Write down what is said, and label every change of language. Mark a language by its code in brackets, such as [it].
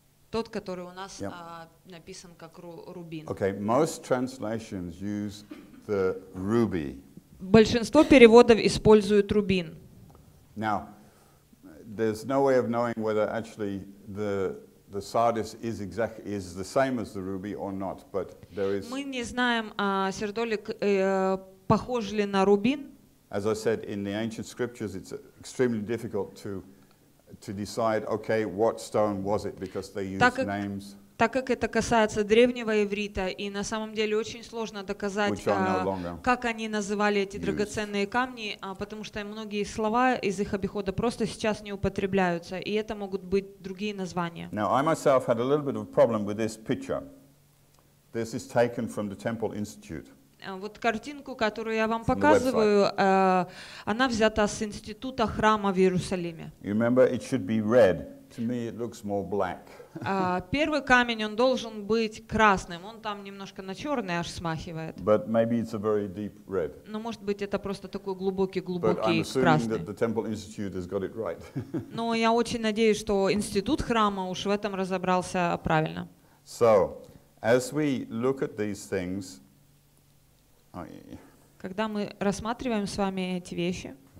[ru] Тот, который у нас yep. Написан как рубин. [en] Okay, most translations use the ruby. [ru] Большинство переводов используют рубин. [en] Now, there's no way of knowing whether actually the sardis is exactly is the same as the ruby or not, but there is. [ru] Мы не знаем, сердолик похож ли на рубин. [en] As I said, in the ancient scriptures, it's extremely difficult to decide. Okay, what stone was it? Because they use names. [ru] Так как это касается древнего иврита, и на самом деле очень сложно доказать, как они называли эти драгоценные камни, потому что многие слова из их обихода просто сейчас не употребляются, и это могут быть другие названия. [en] Now, I myself had a little bit of a problem with this picture. This is taken from the Temple Institute. [ru] Вот картинку, которую я вам показываю, она взята с Института храма в Иерусалиме. [en] You remember, it should be red. To me, it looks more black. [ru] Первый камень, он должен быть красным. Он там немножко на черный аж смахивает. [en] But maybe it's a very deep red. [ru] Но может быть это просто такой глубокий красный. [en] But I'm assuming that the Temple Institute has got it right. [ru] Но я очень надеюсь, что институт храма уж в этом разобрался правильно. [en] So, as we look at these things, [ru] когда мы рассматриваем с вами эти вещи.